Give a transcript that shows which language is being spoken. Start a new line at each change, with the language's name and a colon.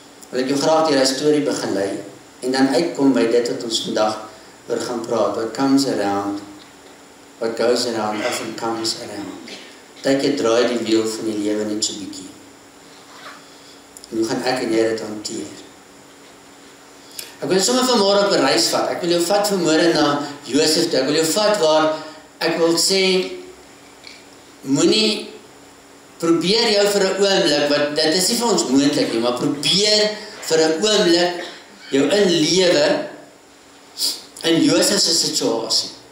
Afrikaans: Wil ek jou graag deur die storie begelei. En dan uitkom by dit wat ons vandag oor gaan praat.
English: What comes around, what goes around, often comes around.
Afrikaans: Dat jy draai die wiel van die lewe net so bietjie. En hoe gaan ek en jy dit hanteer? Ek wil sommer vanmôre op 'n reis vat. Ek wil jou vat vanmôre na Josef. Ek wil jou vat waar ek wil sê, moenie probeer jou vir 'n oomblik, want dit is nie vir ons moontlik nie, maar probeer vir 'n oomblik jou inlewe in Josef se situasie.